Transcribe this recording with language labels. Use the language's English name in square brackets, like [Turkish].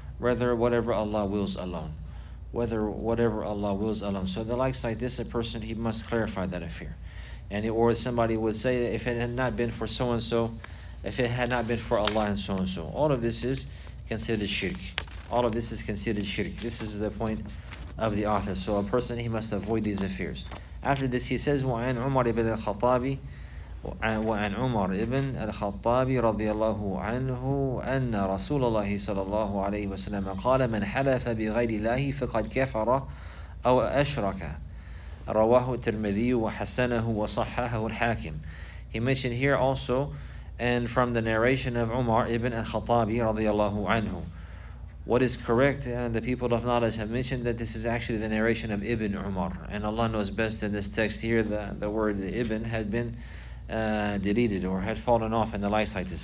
[English] Rather, whatever Allah wills alone. So the likes like this, a person, he must clarify that affair. And or somebody would say, if it had not been for so and so, if it had not been for Allah and so and so, all of this is considered shirk. All of this is considered shirk. This is the point of the author. So a person, he must avoid these affairs. After this, he says, [Arabic] وَعَنْ عُمَرِ بِنِ الْخَطَابِ وَعَنْ عُمَرِ ابْنِ الْخَطَابِ رَضِيَ اللَّهُ عَنْهُ أَنَّ رَسُولَ اللَّهِ صَلَى اللَّهُ عَلَيْهِ وَسَلَمَ قَالَ مَنْ حَلَفَ بِغَيْرِ اللَّهِ فَقَدْ كَفَرَ أَوْ أَشْرَكَ رَوَاهُ التِّرْمِذِيُّ وَحَسَنَهُ وَصَحَّحَهُ الْحَاكِمُ. [English] He mentioned here also, and from the narration of Umar ibn al-Khattabi [Arabic] رضي الله عنه. [English] What is correct, and the people of knowledge have mentioned that this is actually the narration of Ibn Umar. And Allah knows best in this text here, the word Ibn had been deleted or had fallen off and the likes like this.